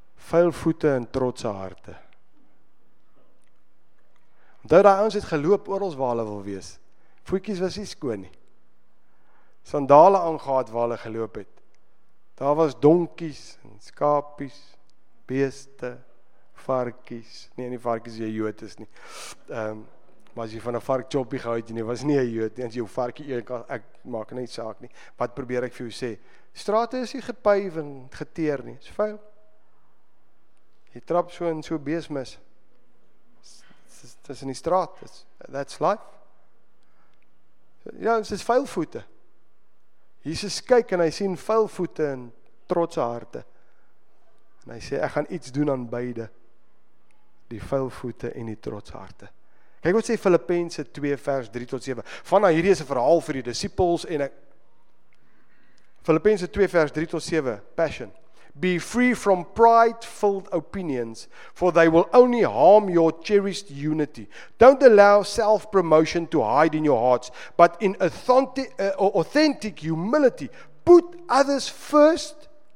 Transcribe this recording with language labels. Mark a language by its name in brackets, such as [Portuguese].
[Afrikaans] Vuil voete en trotse harte. Onthou daai ouens het geloop oral waar hulle wil wees. Voetjies was nie skoon nie. Sandale aangehad waar hulle geloop het. Daar was donkies en skapies, beeste, varkies, nie in die varkies jy jood is nie. Maar as jy van 'n vark choppie gehou het, jy was nie 'n jood nie, as jou varkie eet, ek maak nie saak nie. Wat probeer ek vir jou sê? Strate is nie gepuif en geteer nie, is vuil. Jy trap so in so beesmis. Dit is in die straat, [English] that's life. [Afrikaans] Ja, dit is vuil voete. Jesus kyk en hy sien vuil voete en trotse harte. En hy sê, ek gaan iets doen aan beide. Die vuil voete en die trots harte. Kyk wat sê Filippense 2 vers 3 tot 7. Vanna hierdie is 'n verhaal vir die disippels en ek. Filippense 2 vers 3 tot 7. Passion. [English] Be free from pride-filled opinions, for they will only harm your cherished unity. Don't allow self-promotion to hide in your hearts, but in authentic humility, put others first